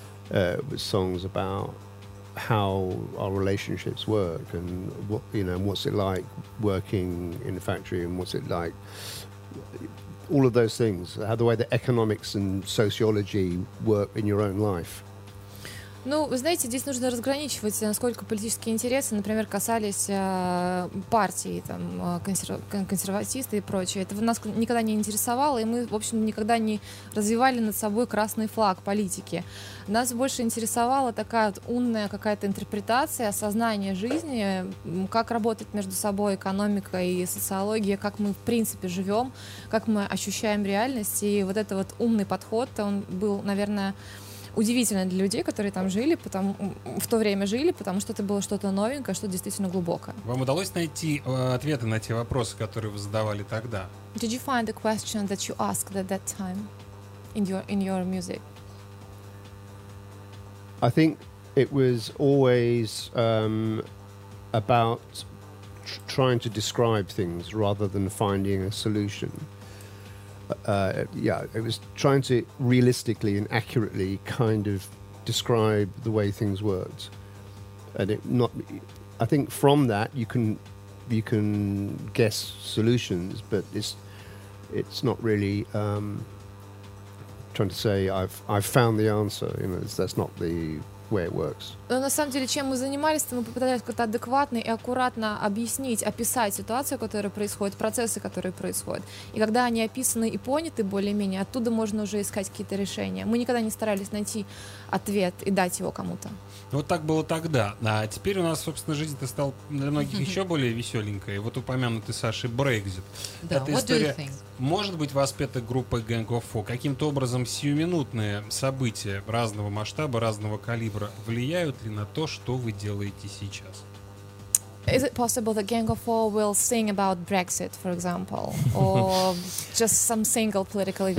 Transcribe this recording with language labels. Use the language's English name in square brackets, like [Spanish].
[English] It was songs about how our relationships work, and what, you know, what's it like working in a factory, and what's it like, all of those things, how the way that economics and sociology work in your own life. [Russian] Ну, вы знаете, здесь нужно разграничивать, насколько политические интересы, например, касались партии, там, консерватисты и прочее. Это нас никогда не интересовало, и мы, в общем, никогда не развивали над собой красный флаг политики. Нас больше интересовала такая вот умная какая-то интерпретация, осознание жизни, как работает между собой экономика и социология, как мы, в принципе, живем, как мы ощущаем реальность. И вот этот вот умный подход, он был, наверное... удивительно для людей, которые там жили, потому что это было что-то новенькое, что действительно глубокое. Вам удалось найти ответы на те вопросы, которые вы задавали тогда? [English] Did you find the question that you asked at that time in your music? I think it was always about trying to describe things rather than finding a solution. It was trying to realistically and accurately kind of describe the way things worked, and I think from that you can guess solutions, but it's not really trying to say I've found the answer. You know, that's not the way it works. [Russian] Но на самом деле, чем мы занимались, то мы попытались как-то адекватно и аккуратно объяснить, описать ситуацию, которая происходит, процессы, которые происходят. И когда они описаны и поняты более-менее, оттуда можно уже искать какие-то решения. Мы никогда не старались найти ответ и дать его кому-то. Вот так было тогда. А теперь у нас, собственно, жизнь-то стала для многих еще более веселенькой. Вот упомянутый Сашей Brexit. Да, [English] what do you think? [Russian] Может быть, воспета группой Gang of Four? Каким-то образом сиюминутные события разного масштаба, разного калибра влияют ли на то, что вы делаете сейчас? [English] Is it possible that Gang of Four will sing about Brexit, for example, or just some single political event?